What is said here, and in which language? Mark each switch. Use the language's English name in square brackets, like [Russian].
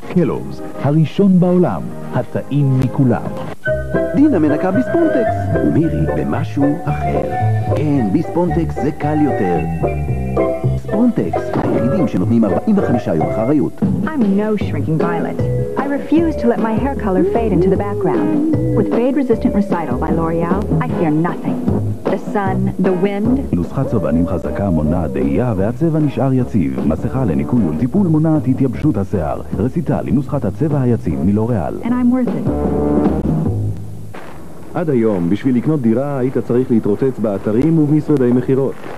[Hebrew] קלוגס, הראשון בעולם, הטעים מכולם. דינה מנקה ביספונטקס. ומירי במשהו אחר. כן, ביספונטקס זה קל יותר. ספונטקס, היחידים שנותנים 45 יום אחריות. [English] I'm no shrinking violet. I refuse to let my hair color fade into the background. With fade resistant recital by L'Oreal, I fear nothing. The sun, the wind. [Hebrew] נוסחת צבעים חזקה מונעת דהייה והצבע נשאר יציב. מסכה לניקוי ולטיפול מונעת התייבשות השיער. רציטל עם נוסחת הצבע היציב מלוריאל. [English] And I'm worth it. [Hebrew] עד היום, בשביל לקנות דירה, היית צריך להתרוצץ באתרים ובמשרדי מחירות.